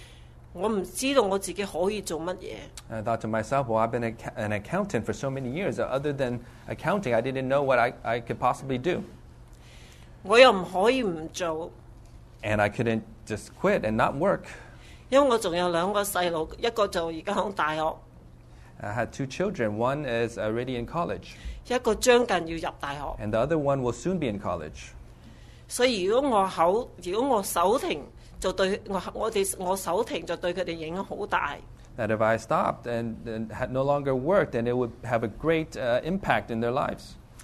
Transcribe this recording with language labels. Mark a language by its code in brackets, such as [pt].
[yue] 我喺度諗，我除咗我淨係做會計做咗咁多咁耐，我唔知道我自己可以做乜嘢。 [en] I thought to myself, well, I've been an accountant for so many years. Other than accounting, I didn't know what I could possibly do. [yue] 我又唔可以唔做。 [en] And I couldn't just quit and not work. [yue] 因為我仲有兩個細路，一個就而家喺大學。 [en] I had two children. One is already in college. [yue] 一個將近要入大學。 [en] And the other one will soon be in college. [yue] 所以如果我手停就對佢哋影響好大。 [en] That if I stopped and had no longer worked, then it would have a great impact in their lives.